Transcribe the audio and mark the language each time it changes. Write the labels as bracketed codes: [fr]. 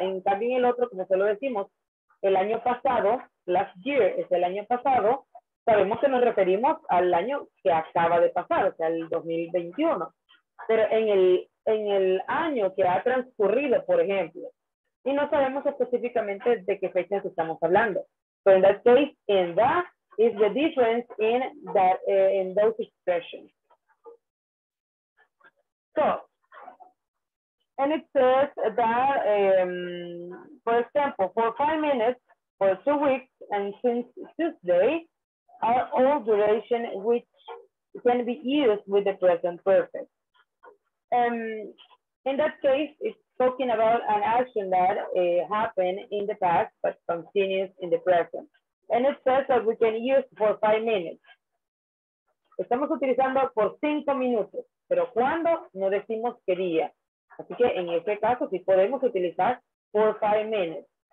[es] En cambio, en el otro, como se lo decimos, el año pasado, last year es el año pasado, sabemos que nos referimos al año que acaba de pasar, o sea, el 2021. Pero en el año que ha transcurrido, por ejemplo, y no sabemos específicamente de qué fechas estamos hablando. [en] So in that case, in that is the difference in that in those expressions. So, and it says that, for example, for 5 minutes, for 2 weeks, and since Tuesday, are all duration which can be used with the present perfect. In that case, it's talking about an action that happened in the past, but continues in the present. And it says that we can use for 5 minutes. [es] Estamos utilizando por 5 minutos, pero cuando no decimos qué día. Así que en este caso sí podemos utilizar for 5 minutes.